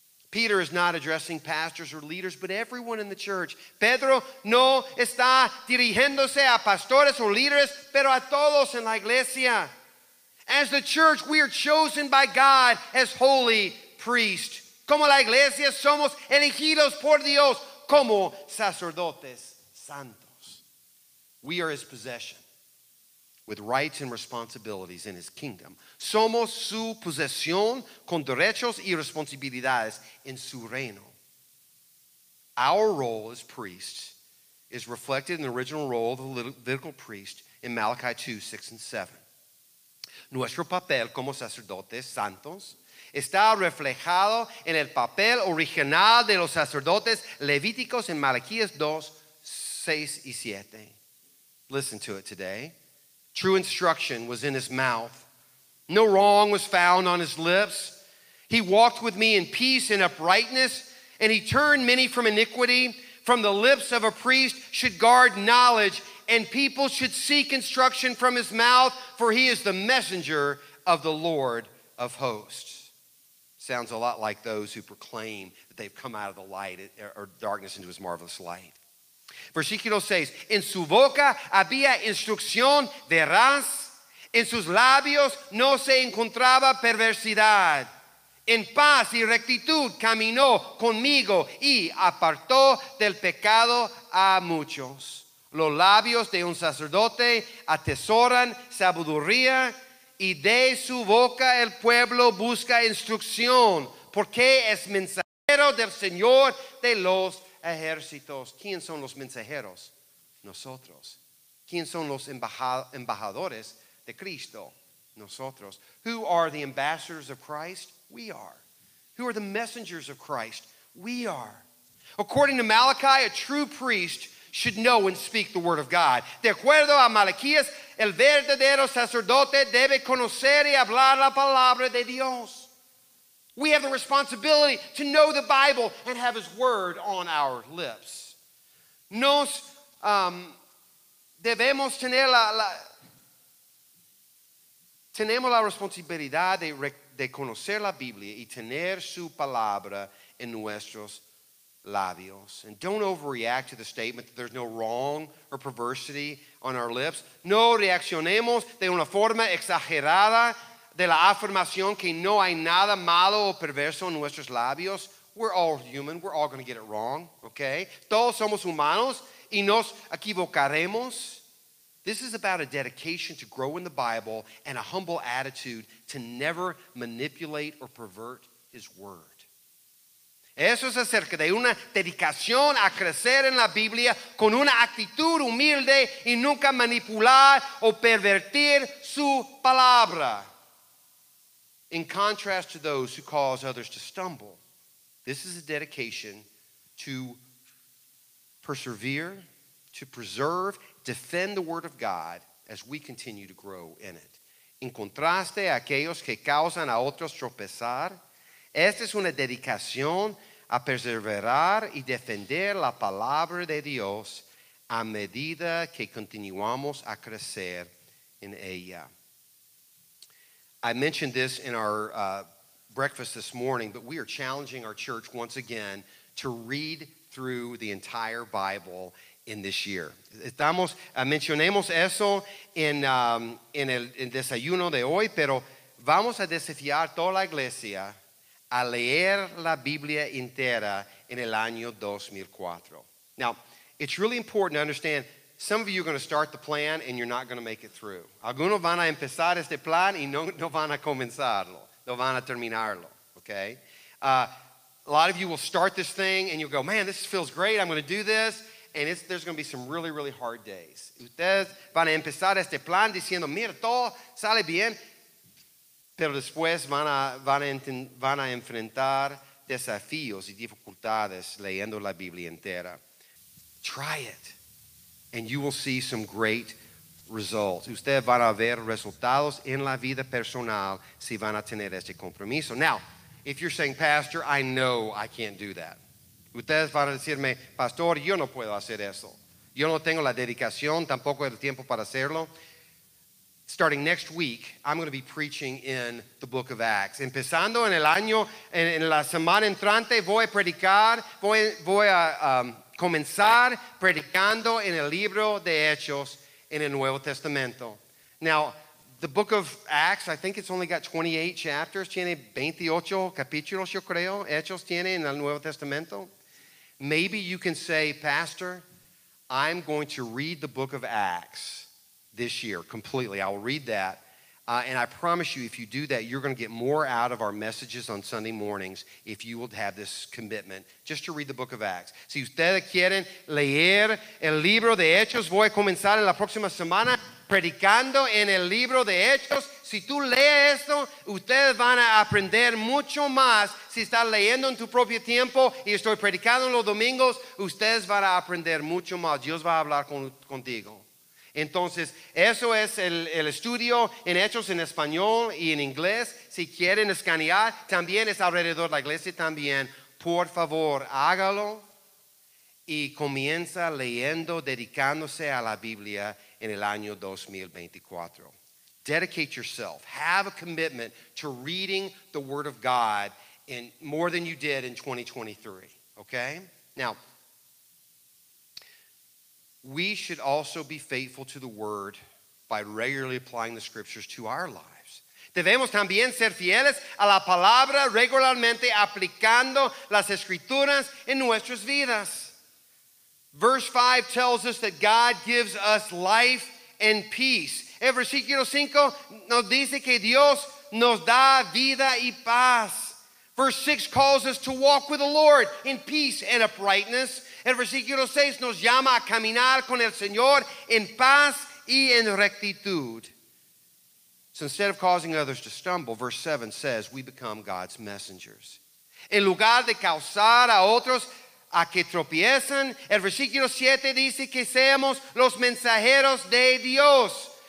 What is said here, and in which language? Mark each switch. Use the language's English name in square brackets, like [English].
[English] Peter is not addressing pastors or leaders, but everyone in the church. [Spanish] Pedro no está dirigiéndose a pastores o líderes, pero a todos en la iglesia. [English] As the church, we are chosen by God as holy priests. [Spanish] Como la iglesia, somos elegidos por Dios como sacerdotes santos. [English] We are his possession with rights and responsibilities in his kingdom. [Spanish] Somos su posesión con derechos y responsabilidades en su reino. [English] Our role as priests is reflected in the original role of the Levitical priest in Malachi 2, 6, and 7. [Spanish] Nuestro papel como sacerdotes santos está reflejado en el papel original de los sacerdotes levíticos en Malaquías 2, 6 y 7. [English] Listen to it today. True instruction was in his mouth. No wrong was found on his lips. He walked with me in peace and uprightness, and he turned many from iniquity. From the lips of a priest should guard knowledge, and people should seek instruction from his mouth, for he is the messenger of the Lord of hosts. Sounds a lot like those who proclaim that they've come out of the light or darkness into his marvelous light. [Spanish] Versículo 6, en su boca había instrucción veraz, en sus labios no se encontraba perversidad. En paz y rectitud caminó conmigo y apartó del pecado a muchos. Los labios de un sacerdote atesoran sabiduría, y de su boca el pueblo busca instrucción, porque es mensajero del Señor de los ejércitos. ¿Quién son los mensajeros? Nosotros. ¿Quién son los embajadores de Cristo? Nosotros. [English] Who are the ambassadors of Christ? We are. Who are the messengers of Christ? We are. According to Malachi, a true priest should know and speak the word of God. [Spanish] De acuerdo a Malaquías, el verdadero sacerdote debe conocer y hablar la palabra de Dios. [English] We have the responsibility to know the Bible and have his word on our lips. [Spanish] Nos debemos tener tenemos la responsabilidad de conocer la Biblia y tener su palabra en nuestros labios. [English] And don't overreact to the statement that there's no wrong or perversity on our lips. [Spanish] No reaccionemos de una forma exagerada de la afirmación que no hay nada malo o perverso en nuestros labios. [English] We're all human. We're all going to get it wrong, okay? [Spanish] Todos somos humanos y nos equivocaremos. [English] This is about a dedication to grow in the Bible and a humble attitude to never manipulate or pervert His Word. [Spanish] Eso es acerca de una dedicación a crecer en la Biblia con una actitud humilde y nunca manipular o pervertir su palabra. [English] In contrast to those who cause others to stumble, this is a dedication to persevere, to preserve, defend the Word of God as we continue to grow in it. [Spanish] En contraste a aquellos que causan a otros tropezar, esta es una dedicación a perseverar y defender la palabra de Dios a medida que continuamos a crecer en ella. [English] I mentioned this in our breakfast this morning, but we are challenging our church once again to read through the entire Bible in this year. [Spanish] Estamos, mencionemos eso en el desayuno de hoy, pero vamos a desafiar toda la iglesia a leer la Biblia entera en el año 2004. [English] Now, it's really important to understand some of you are going to start the plan and you're not going to make it through. [Spanish] Algunos van a empezar este plan y no van a comenzarlo. No van a terminarlo, okay? [English] A lot of you will start this thing and you'll go, man, this feels great, I'm going to do this. And there's going to be some really, really hard days. [Spanish] Ustedes van a empezar este plan diciendo, mira, todo sale bien. Pero después van a enfrentar desafíos y dificultades leyendo la Biblia entera. [English] Try it, and you will see some great results. [Spanish] Ustedes van a ver resultados en la vida personal si van a tener este compromiso. [English] Now, if you're saying, Pastor, I know I can't do that. [Spanish] Ustedes van a decirme, Pastor, yo no puedo hacer eso. Yo no tengo la dedicación, tampoco el tiempo para hacerlo. [English] Starting next week, I'm going to be preaching in the book of Acts. [Spanish] Empezando en el año, en la semana entrante, voy a predicar, voy a comenzar predicando en el libro de Hechos en el Nuevo Testamento. [English] Now, the book of Acts, I think it's only got 28 chapters. [Spanish] Tiene 28 capítulos, yo creo. Hechos tiene en el Nuevo Testamento. [English] Maybe you can say, Pastor, I'm going to read the book of Acts this year completely. I will read that. And I promise you, if you do that, you're going to get more out of our messages on Sunday mornings if you will have this commitment just to read the book of Acts. [Spanish] Si ustedes quieren leer el libro de Hechos, voy a comenzar en la próxima semana predicando en el libro de Hechos. Si tú lees esto, ustedes van a aprender mucho más. Si estás leyendo en tu propio tiempo y estoy predicando los domingos, ustedes van a aprender mucho más. Dios va a hablar contigo. Entonces, eso es el estudio en Hechos en español y en inglés. Si quieren escanear, también es alrededor de la iglesia también. Por favor, hágalo y comienza leyendo, dedicándose a la Biblia en el año 2024. [English] Dedicate yourself. Have a commitment to reading the Word of God in more than you did in 2023. Okay? Now, we should also be faithful to the Word by regularly applying the Scriptures to our lives. [Spanish] Debemos también ser fieles a la palabra regularmente aplicando las Escrituras en nuestras vidas. [English] Verse 5 tells us that God gives us life and peace. [Spanish] El versículo 5 nos dice que Dios nos da vida y paz. [English] Verse 6 calls us to walk with the Lord in peace and uprightness. [Spanish] El versículo 6 nos llama a caminar con el Señor en paz y en rectitud. [English] So instead of causing others to stumble, verse 7 says we become God's messengers. [Spanish] En lugar de causar a otros a que tropiecen, el versículo 7 dice que seamos los mensajeros de Dios.